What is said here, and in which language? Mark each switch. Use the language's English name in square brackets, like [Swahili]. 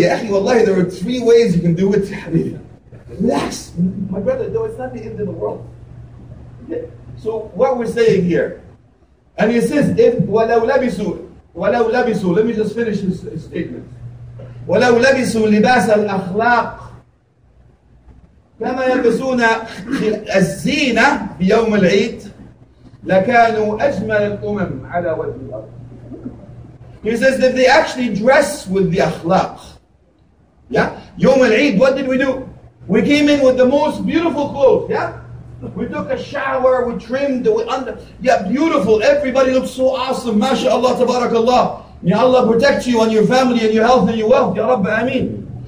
[English] Yeah, wallahi, there are three ways you can do witr. Relax. My brother, though, it's not the end of the world. So what we're saying here, and he says, if walaw labisu, وَلَوْ لَبِسُوا Let me just finish his statement. [Arabic] وَلَوْ لَبِسُوا لِبَاسَ الْأَخْلَاقِ كما يلبسون الزينة بيوم العيد لكانوا أجمل الأمم على وجه الأرض. [English] He says that they actually dress with the akhlaq. Yeah? Yom al-Eid, what did we do? We came in with the most beautiful clothes. Yeah? We took a shower, we trimmed, we under. Yeah, beautiful. Everybody looks so awesome. MashaAllah, tabarakAllah. May Allah protect you and your family and your health and your wealth. Ya Rabbi, Ameen.